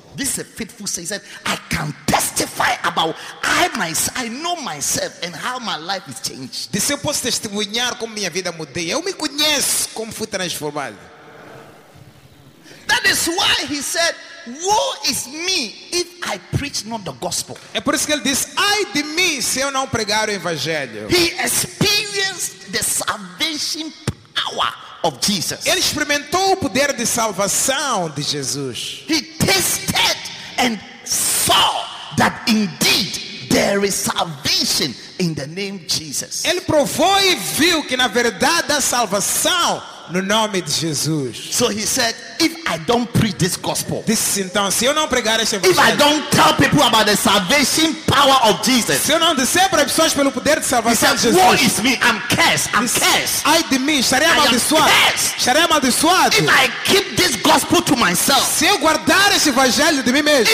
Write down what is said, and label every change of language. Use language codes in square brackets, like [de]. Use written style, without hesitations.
[en] This is a faithful saying. He said, I can testify about I know myself and how my life is changed. [pt] Disse eu posso testemunhar como minha vida mudou. Eu me conheço como fui transformado. [en] That is why he said, woe is me if I preach not the gospel. [pt] É por isso que ele diz, ai de mim se eu não pregar o evangelho. [en] He experienced the salvation power of Jesus. [pt] Ele experimentou o poder de salvação de Jesus. [en] He tasted and saw that indeed there is salvation in the name Jesus. [pt] Ele provou e viu que na verdade há salvação no nome de Jesus. [en] So he said, if I don't preach this gospel, [pt] disse então, se eu não pregar este evangelho, [en] if I don't tell people about the salvation power of Jesus, [pt] se eu não disser para as pessoas pelo poder de salvação, [en] said, [pt] de Jesus, [en] woe is me, I'm cursed, I'm cursed. [pt] Ai de mim, estarei amaldiçoado. Estarei amaldiçoado. [en] If I keep this gospel to myself, [pt] se eu guardar este evangelho de mim mesmo,